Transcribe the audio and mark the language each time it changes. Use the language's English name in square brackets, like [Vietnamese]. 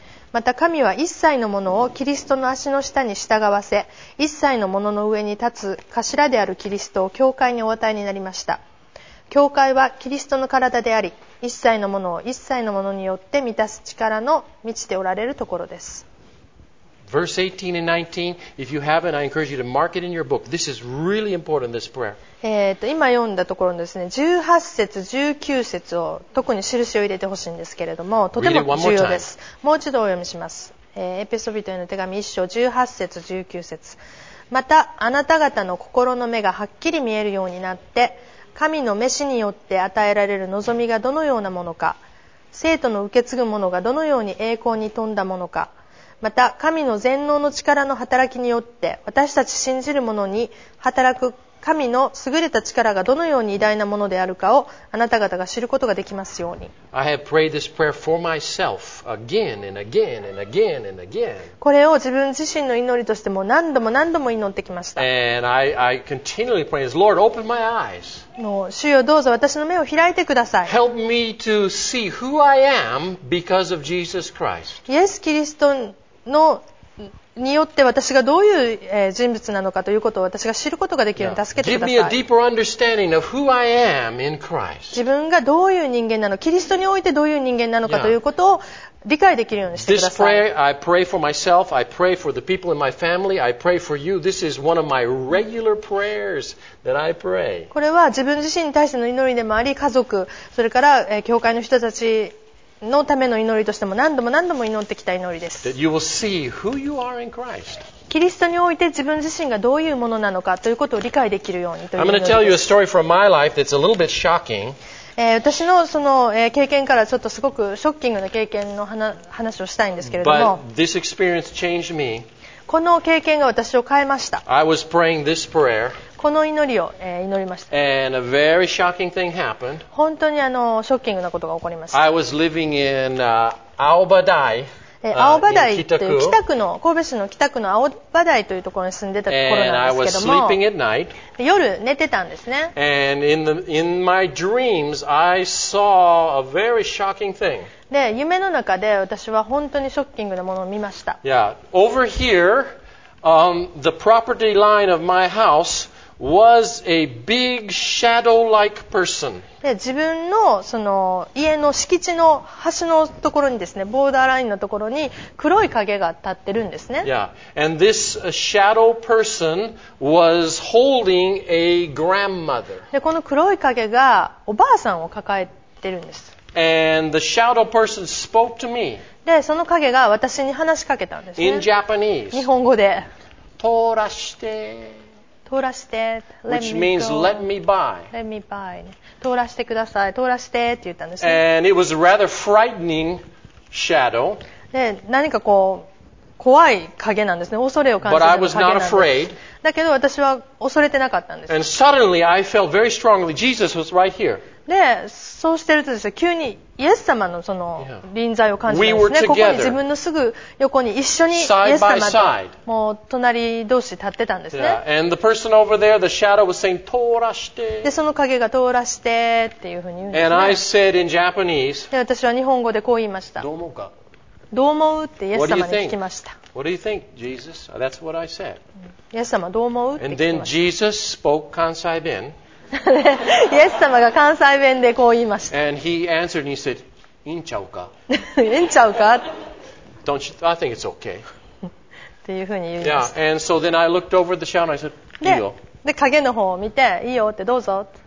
[Japanese] また神は一切のものをキリストの足の下に従わせ、一切のものの上に立つ頭であるキリストを教会にお与えになりました。教会はキリストの体であり、一切のものを一切のものによって満たす力の満ちておられるところです。 [English] Verse 18 and 19 If you haven't, I encourage you to mark it in your book. This is really important, this prayer. [Japanese] 今読んだところのですね、18節19節を特に印を入れてほしいんですけれども、とても重要です。もう一度お読みします。エペソ人への手紙1章18節19節。またあなた方の心の目がはっきり見えるようになって、神の召しによって与えられる望みがどのようなものか、聖徒の受け継ぐものがどのように栄光に富んだものか、また神の全能の力の働きによって私たち信じる者に働く神の優れた力がどのように偉大なものであるかをあなた方が知ることができますように。 [English] I have prayed this prayer for myself again and again and again and again. [Japanese] これを自分自身の祈りとしても何度も何度も祈ってきました。 [English] And I continually pray this, Lord, open my eyes. [Japanese] もう主よどうぞ私の目を開いてください。 [English] Help me to see who I am because of Jesus Christ. [Japanese] イエス・キリストのによって私がどういう人物なのかということを私が知ることができるように助けてください。 [English] Give me a deeper understanding of who I am in Christ. [Japanese] 自分がどういう人間なのキリストにおいてどういう人間なのかということを理解できるようにしてください。 [English] This prayer, I pray for myself, I pray for the people in my family, I pray for you. This is one of my regular prayers that I pray. [Japanese] これは自分自身に対しての祈りでもあり家族それから教会の人たちのための祈りとしても何度も何度も祈ってきた祈りです。 [English] That you will see who you are in Christ. [Japanese] キリストにおいて自分自身がどういうものなのかということを理解できるようにという祈りです。 [English] I'm going to tell you a story from my life that's a little bit shocking. [Japanese] 私のその経験からちょっとすごくショッキングな経験の 話をしたいんですけれども。 [English] But this experience changed me. [Japanese] この経験が私を変えました。 [English] I was praying this prayer. [Japanese] この祈りを、祈りました。 [English] And a very shocking thing happened. [Japanese] 本当にショッキングなことが起こりました。 [English] I was living in, 青葉台。 [Japanese] 青葉台という北区の神戸市の北区の青葉台というところに住んでたところなんですけども。 [English] And I was sleeping at night. [Japanese] 夜寝てたんですね。 [English] And in my dreams, I saw a very shocking thing. [Japanese] で、夢の中で私は本当にショッキングなものを見ました。 [English] Yeah, over here,the property line of my house was a big shadow-like person. [Japanese] 自分のその家の敷地の端のところにですね、ボーダーラインのところに黒い影が立ってるんですね。 [English] Yeah. And this shadow person was holding a grandmother. [Japanese] で、この黒い影がおばあさんを抱えてるんです。 [English] And the shadow person spoke to me. [Japanese] でその影が私に話しかけたんですね。 [English] In Japanese, [Japanese] 日本語で。通らして。通らして。 [English] Which means let me by. Let me by. [Japanese] 通らしてください。通らしてって言ったんですね。 [English] And it was a rather frightening shadow. [Japanese] で何かこう怖い影なんですね。恐れを感じた影なんです。だけど私は恐れてなかったんです。 [English] And suddenly I felt very strongly Jesus was right here. [Japanese] でそうしてるとですね、急にイエス様のその臨在を感じるんですね。ここに自分のすぐ横に一緒にイエス様ともう隣同士立ってたんですね。 [English] And the person over there, the shadow was saying, [Japanese] 通らして。でその影が通らしてっていうふうに言うんですね。 [English] And I said in Japanese, [Japanese] で私は日本語でこう言いました。どう思うか。どう思うってイエス様に聞きました。 [English] What do you think, Jesus? That's what I said. [Japanese] イエス様どう思うって。 [English] And then Jesus spoke Kansai Ben. [Japanese] イエス様が関西弁でこう言いました。 [English] And he answered and he said, [Japanese] いいんちゃうか。いいんちゃうか。 [English] Don't you? I think it's okay. [Japanese] っていうふうに言いました。 [English] Yeah, and so then I looked over the shadow and I said, [Japanese] いいよ。で、影の方を見て、いいよってどうぞ。